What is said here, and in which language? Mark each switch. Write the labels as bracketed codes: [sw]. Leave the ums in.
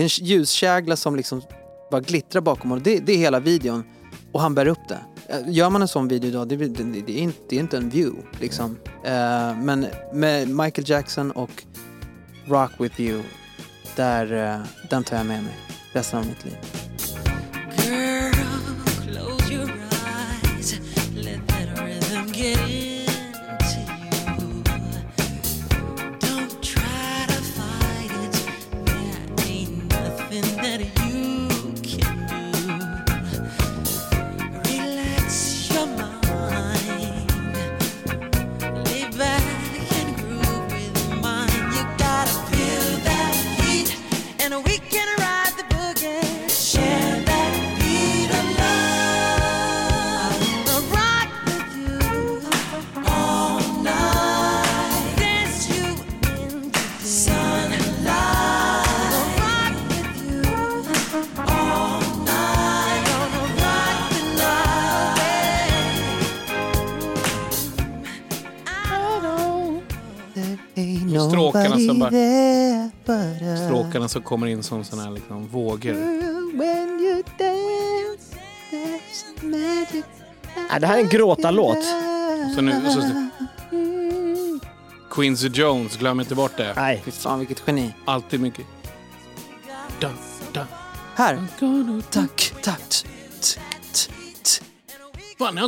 [sv] är en ljuskägla som liksom bara glittrar bakom honom. Det, det är hela videon och han bär upp det. Eh, Gör man en sån video idag, det, blir- det, det, är, inte, det är inte en view liksom. Eh, men med Michael Jackson och Rock With You, där, eh, den tar jag med mig resten av mitt liv. [en] Girl, close your eyes. Let that rhythm get into you. Don't try to fight it. There ain't nothing that you can do. Relax your mind. Lay back and groove with mine. You gotta feel that heat and we can ride the boogie. Share that beat of love. I'll rock with you all night. Dance you into the sunlight. I'll rock with you all night. Gonna rock the night. I don't. [sv] Stråkarna som bara- [en] there but us. [sv] Stråkarna som kommer in som såna här liksom vågor. [en] When you dance, there's magic. [sv] Nej, det här är en gråtarlåt. Så nu, så, Quincy Jones, glöm inte bort det. Nej. Fy fan vilket geni. Alltid mycket. Dun, dun. Här. Tack, tack. t- t- t- t- Fan, jag har